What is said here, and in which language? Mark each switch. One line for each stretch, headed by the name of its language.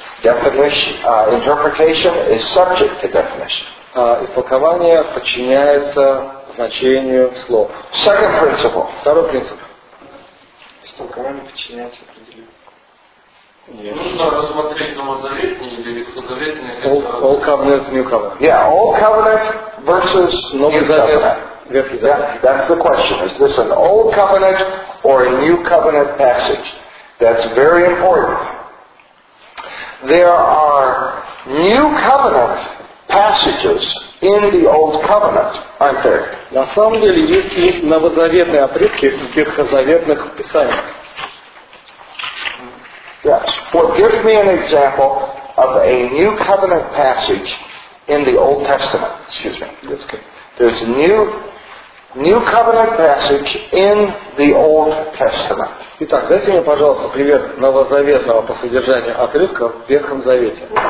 English: Definition, interpretation is subject to definition.
Russian: Истолкование подчиняется значению слов.
English: Second principle.
Russian: Второй принцип. Истолкование подчиняется определению. Нужно рассмотреть новозаветные или ветхозаветные.
English: Old covenant, new covenant. Yeah, old covenant versus new covenant. Yeah, that's the question. Is this an old covenant or a new covenant passage? That's very important. There are new covenant passages in the old covenant, aren't there?
Russian: На самом деле есть и новозаветные отрывки в ветхозаветных писаниях.
English: Yes. Well, give me an example of a new covenant passage in the Old Testament. Excuse me. That's okay. There's a New covenant passage in the Old Testament.
Russian: Итак, дайте мне, пожалуйста, пример новозаветного по содержанию отрывка в Ветхом Завете.